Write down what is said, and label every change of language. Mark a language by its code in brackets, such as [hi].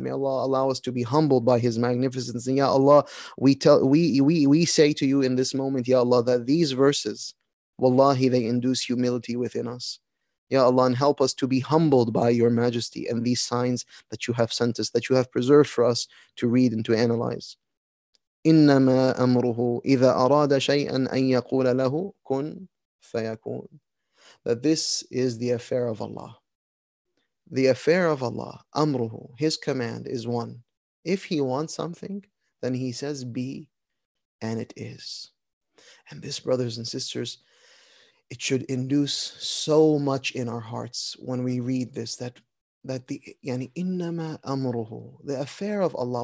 [en] May Allah allow us to be humbled by his magnificence. And Ya Allah, we say to you in this moment, Ya Allah, that these verses, wallahi, they induce humility within us. Ya Allah, and help us to be humbled by your majesty and these signs that you have sent us, that you have preserved for us to read and to analyze. [ar] إِنَّمَا أَمْرُهُ إِذَا أَرَادَ شَيْئًا أَن يَقُولَ لَهُ كُنْ فَيَكُونَ. [en] That this is the affair of Allah. The affair of Allah, أَمْرُهُ, his command is one. If he wants something, then he says be, and it is. And this, brothers and sisters, it should induce so much in our hearts when we read this, that the yani innama amruhu, the affair of Allah.